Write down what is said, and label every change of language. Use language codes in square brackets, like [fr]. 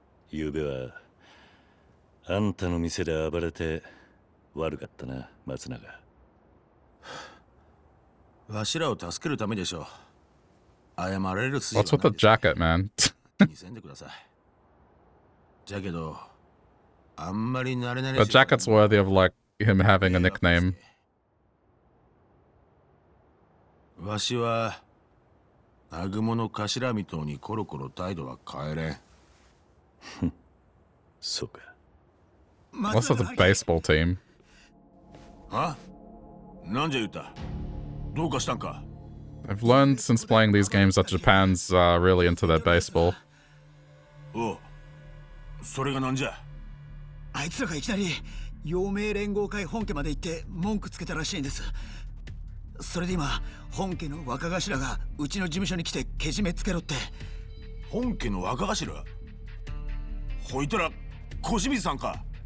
[ja] ゆうべはあんたの店で暴れて悪かったな、松永。わしらを助けるためでしょ。謝られる筋はない。 [en] What's with the jacket, man? [ja] 気にせんでください。じゃけど、あんまり慣れ慣れしい。 [en] The jacket's worthy of, like, him having a nickname. [ja] わしは、南雲の頭みとうにコロコロ態度は変えれん。そうか。 [en] What's with the baseball team? [ja] は？なんじゃ言った？どうかしたんか？ [en] I've learned since playing these games that Japan's, really into their baseball. [ja] おう。それが何じゃ。あいつらがいきなり陽明連合会本家まで行って文句つけたらしいんです。それで今本家の若頭がうちの事務所に来てけじめつけろって。本家の若頭、ほいたら小清水さんか。